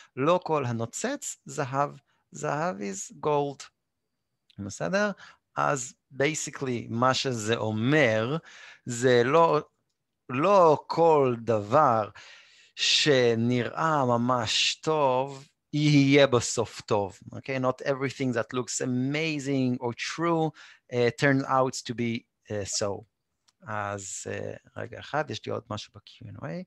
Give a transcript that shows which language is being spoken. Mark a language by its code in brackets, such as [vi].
[he] לא כל הנוצץ זהב, זהב [en] is gold. [he] בסדר? אז basically, מה שזה אומר, זה לא כל דבר שנראה ממש טוב, יהיה בסוף טוב. [en] Okay? Not everything that looks amazing or true turns out to be so. [he] אז רגע אחד, יש לי עוד משהו ב-Q&A.